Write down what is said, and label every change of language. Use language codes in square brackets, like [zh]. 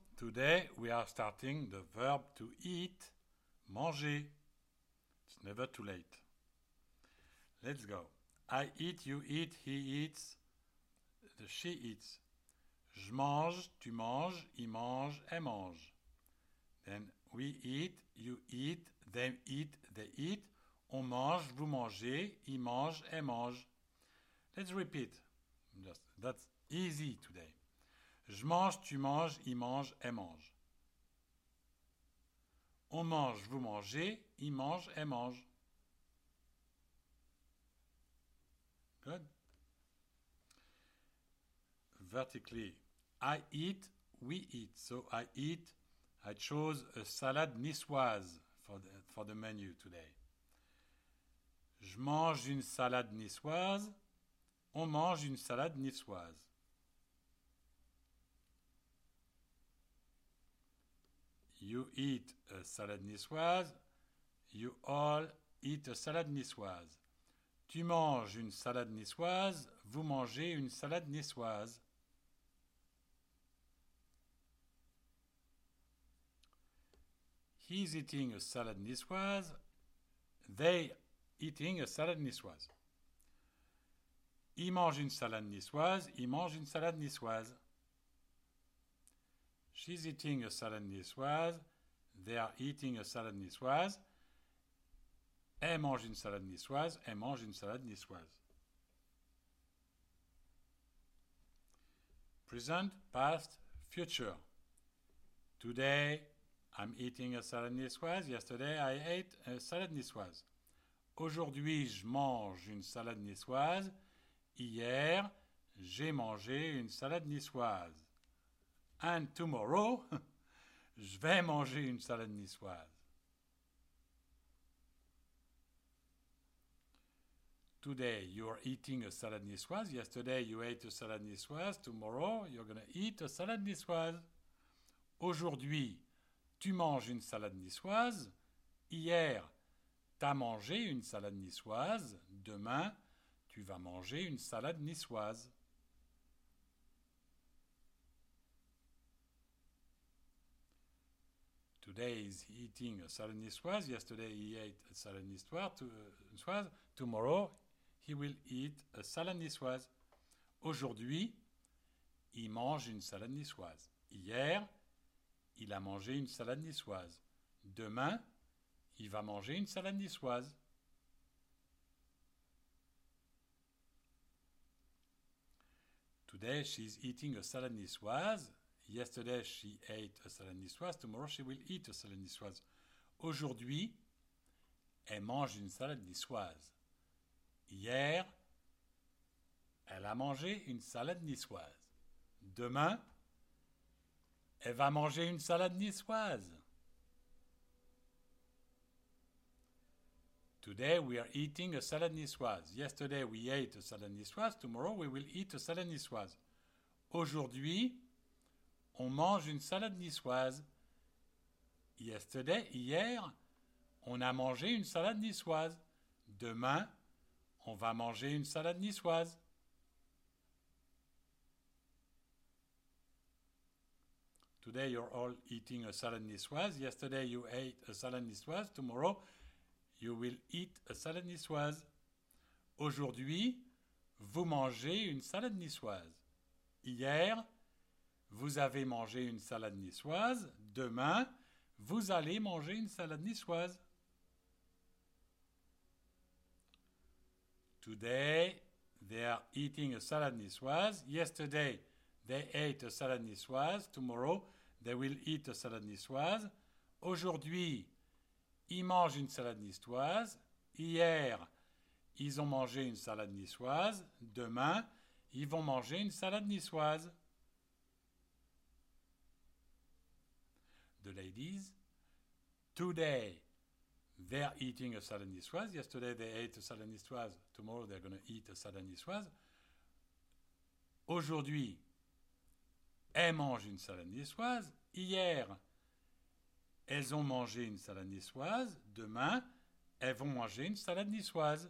[en] Today we are starting the verb to eat, manger. It's never too late. Let's go. I eat, you eat, he eats, she eats. [fr] Je mange, tu manges, il mange, elle mange. [en] Then we eat, you eat, them eat, they eat. [fr] On mange, vous mangez, il mange, elle mange. [en] Let's repeat. That's easy today. [fr] Je mange, tu manges, il mange, elle mange. On mange, vous mangez, il mange, elle mange. [en] Good. Vertically. I eat, we eat. So I eat, I chose a salade niçoise for the menu today. [fr] Je mange une salade niçoise. On mange une salade niçoise. [en] You eat a salad niçoise. You all eat a salad niçoise. [fr] Tu manges une salade niçoise. Vous mangez une salade niçoise. [en] He's eating a salad niçoise. They eating a salad niçoise. [fr] Il mange une salade niçoise. Il mange une salade niçoise. [en] She's eating a salad niçoise. They are eating a salad niçoise. [fr] Elle mange une salade niçoise. Elle mange une salade niçoise. [en] Present, past, future. Today, I'm eating a salad niçoise. Yesterday, I ate a salad niçoise. [fr] Aujourd'hui, je mange une salade niçoise. Hier, j'ai mangé une salade niçoise. [en] And tomorrow, [fr] je vais manger une salade niçoise. [en] Today, you're eating a salad niçoise. Yesterday, you ate a salad niçoise. Tomorrow, you're going to eat a salad niçoise. [fr] Aujourd'hui, tu manges une salade niçoise. Hier, t'as mangé une salade niçoise. Demain, tu vas manger une salade niçoise. [en] Today is eating a salad niçoise. Yesterday he ate a salad niçoise. Tomorrow he will eat a salad niçoise. [fr] Aujourd'hui, il mange une salade niçoise. Hier, il a mangé une salade niçoise. Demain, il va manger une salade niçoise. [en] Today she's eating a salad niçoise. Yesterday, she ate a salad niçoise. Tomorrow, she will eat a salad niçoise. [fr] Aujourd'hui, elle mange une salade niçoise. Hier, elle a mangé une salade niçoise. Demain, elle va manger une salade niçoise. [en] Today, we are eating a salad niçoise. Yesterday, we ate a salad niçoise. Tomorrow, we will eat a salad niçoise. [fr] Aujourd'hui, on mange une salade niçoise. [en] Yesterday, [fr] hier, on a mangé une salade niçoise. Demain, on va manger une salade niçoise. [en] Today, you're all eating a salad niçoise. Yesterday, you ate a salad niçoise. Tomorrow, you will eat a salad niçoise. [fr] Aujourd'hui, vous mangez une salade niçoise. Hier, vous avez mangé une salade niçoise. Demain, vous allez manger une salade niçoise. [en] Today, they are eating a salad niçoise. Yesterday, they ate a salad niçoise. Tomorrow, they will eat a salad niçoise. [fr] Aujourd'hui, ils mangent une salade niçoise. Hier, ils ont mangé une salade niçoise. Demain, ils vont manger une salade niçoise. [en] The ladies, today they're eating a salad niçoise. Yesterday they ate a salad niçoise. Tomorrow they're going to eat a salad niçoise. [fr] Aujourd'hui, elles mangent une salade niçoise. Hier, elles ont mangé une salade niçoise. Demain, elles vont manger une salade niçoise.